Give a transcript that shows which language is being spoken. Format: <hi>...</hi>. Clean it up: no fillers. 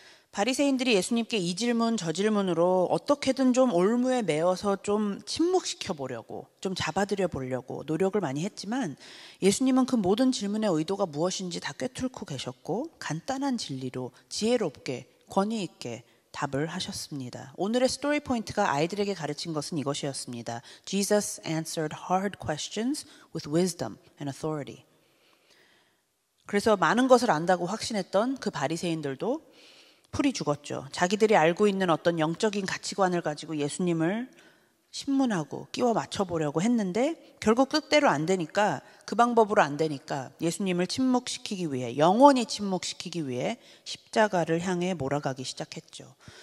<ko>바리새인들이 예수님께 이 질문, 저 질문으로 어떻게든 좀 올무에 매어서 좀 침묵시켜보려고, 좀 잡아들여보려고 노력을 많이 했지만 예수님은 그 모든 질문의 의도가 무엇인지 다 꿰뚫고 계셨고 간단한 진리로 지혜롭게 권위있게 답을 하셨습니다. 오늘의 스토리 포인트가 아이들에게 가르친 것은 이것이었습니다.</ko> <en>Jesus answered hard questions with wisdom and authority.</en> <ko>그래서 많은 것을 안다고 확신했던 그 바리새인들도 풀이 죽었죠. 자기들이 알고 있는 어떤 영적인 가치관을 가지고 예수님을 신문하고 끼워 맞춰보려고 했는데 결국 뜻대로 안 되니까, 그 방법으로 안 되니까 예수님을 침묵시키기 위해, 영원히 침묵시키기 위해 십자가를 향해 몰아가기 시작했죠.</ko>